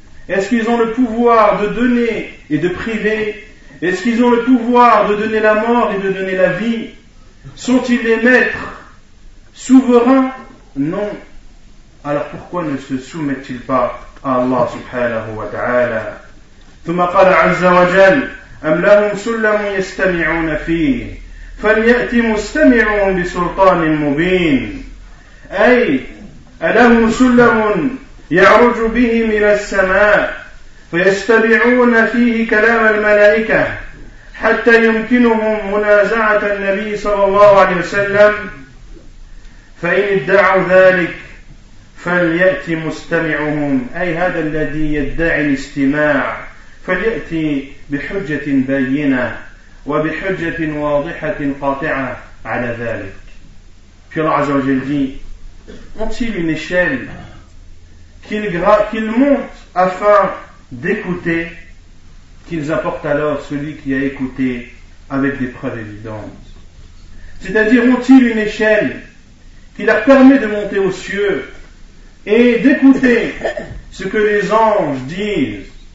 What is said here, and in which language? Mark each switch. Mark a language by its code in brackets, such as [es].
[fr] Est-ce qu'ils ont le pouvoir de donner et de priver? Est-ce qu'ils ont le pouvoir de donner la mort et de donner la vie? Sont-ils les maîtres souverains? Non. Alors pourquoi ne se soumettent-ils pas à Allah subhanahu wa ta'ala? [ar] ثم قال عز وجل أم لهم سلم يستمعون فيه فليأتي مستمعهم بسلطان مبين، أي ألهم سلم يعرج بهم إلى السماء فيستمعون فيه كلام الملائكة حتى يمكنهم منازعة النبي صلى الله عليه وسلم، فإن ادعوا ذلك فليأتي مستمعهم، أي هذا الذي يدعي الاستماع، فليأتي بحجة بينة وبحجة واضحة قاطعة على ذلك. في الله عز وجل ميشيل [fr] qu'ils montent afin d'écouter, qu'ils apportent alors celui qui a écouté avec des preuves évidentes. C'est-à-dire, ont-ils une échelle qui leur permet de monter aux cieux et d'écouter ce que les anges disent?